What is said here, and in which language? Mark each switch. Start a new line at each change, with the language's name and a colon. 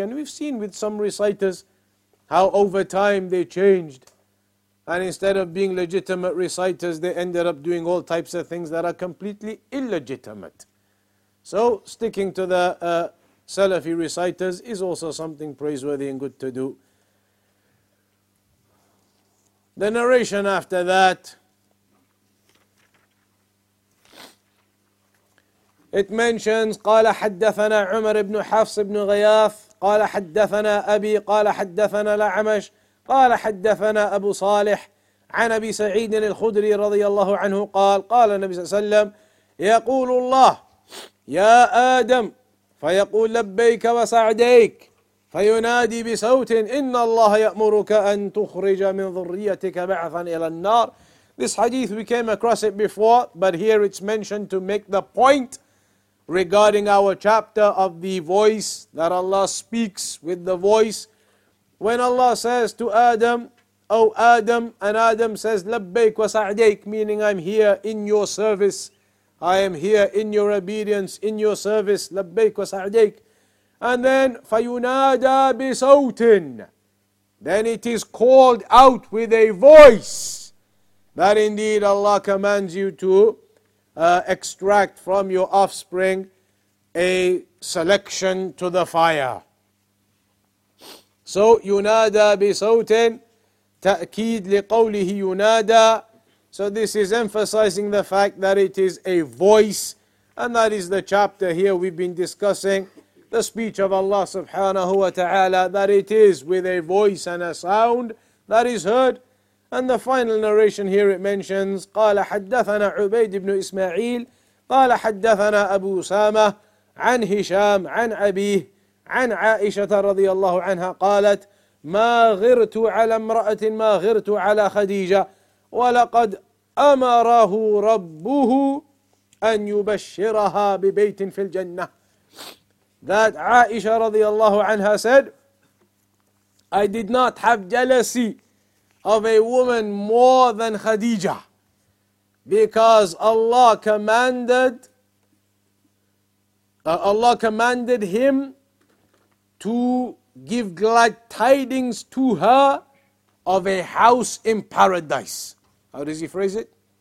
English: And we've seen with some reciters how over time they changed. And instead of being legitimate reciters, they ended up doing all types of things that are completely illegitimate. So sticking to the Salafi reciters is also something praiseworthy and good to do. The narration after that, it mentions,
Arabic: قال حدثنا عمر بن حفص بن غياث قال حدثنا أبي قال حدثنا لعمش قال حدثنا أبو صالح عن أبي سعيد الخدري رضي الله عنه قال قال النبي صلى الله عليه وسلم يقول الله يا آدم فيقول لبيك وسعديك فينادي بصوت إن الله يأمرك أن تخرج من ذريتك بعثا إلى النار.
English: This hadith, we came across it before, but here it's mentioned to make the point regarding our chapter of the voice, that Allah speaks with the voice. When Allah says to Adam, O Adam, and Adam says,
Arabic: لبيك وسعديك,
English: meaning I'm here in your service, I am here in your obedience, in your service, لبيك وسعديك. And then,
Arabic: فينادى بصوت,
English: then it is called out with a voice, that indeed Allah commands you to extract from your offspring a selection to the fire.
Arabic: So, ينادى بصوت, تأكيد لقوله ينادى.
English: So this is emphasizing the fact that it is a voice, and that is the chapter here we've been discussing, the speech of Allah subhanahu wa ta'ala, that it is with a voice and a sound that is heard. And the final narration here, it mentions,
Arabic: قال حدثنا عبيد بن إسماعيل قال حدثنا أبو أسامة عن هشام عن أبيه عن عائشة رضي الله عنها قالت ما غرت على امرأة ما غرت على خديجة ولقد أمره ربه أن يبشرها ببيت في الجنة.
English: That Aisha radiallahu anha said, I did not have jealousy of a woman more than Khadija, because Allah commanded him to give glad tidings to her of a house in paradise. How does he phrase it?